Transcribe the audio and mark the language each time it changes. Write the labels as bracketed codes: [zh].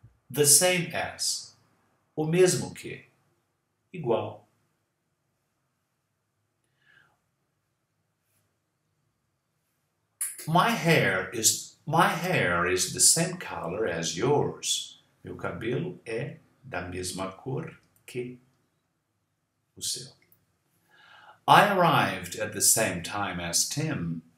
[en] The same as. [pt] O mesmo que. Igual. [en] My hair is the same color as yours. [pt] Meu cabelo é da mesma cor que o seu. [en] I arrived at the same time as Tim.